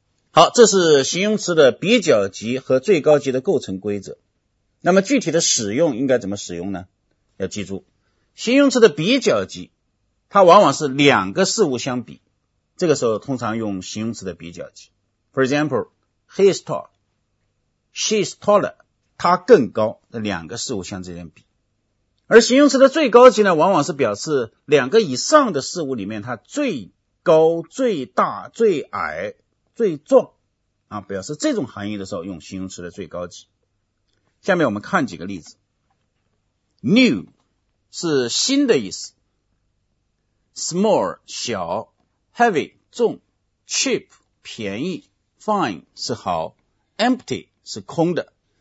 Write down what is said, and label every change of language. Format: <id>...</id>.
<zh>好，这是形容词的比较级和最高级的构成规则。那么具体的使用应该怎么使用呢？要记住，形容词的比较级它往往是两个事物相比，这个时候通常用形容词的比较级。</zh> <en>For example， he is tall， she is taller，</en> <zh>他更高的两个事物相之间比。而形容词的最高级呢，往往是表示两个以上的事物里面它最高最大最矮最壮啊，表示这种含义的时候用形容词的最高级。下面我们看几个例子。 New 是新的意思， Small 小， Heavy 重， Cheap 便宜， Fine 是好， Empty 是空的。</zh>